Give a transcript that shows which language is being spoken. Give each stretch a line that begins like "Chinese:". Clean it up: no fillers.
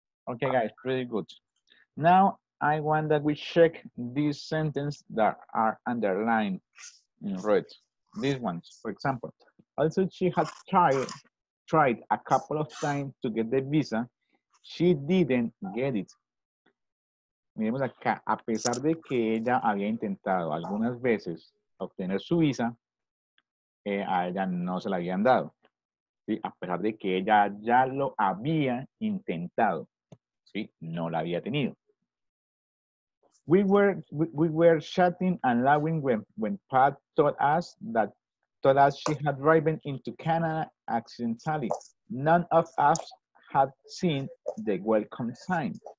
English: Okay, guys, pretty good. Now I want that we check these sentences that are underlined in red. These ones, for example. Also, she had tried a couple of times to get the visa. She didn't get it.
Spanish: Miremos acá, a pesar de que ella había intentado algunas veces obtener su visa, a ella no se la habían dado. ¿Sí? A pesar de que ella ya lo había intentado, ¿sí? No la había tenido.
English: We were chatting and laughing when Pat told us she had driven into Canada accidentally. None of us had seen the welcome sign.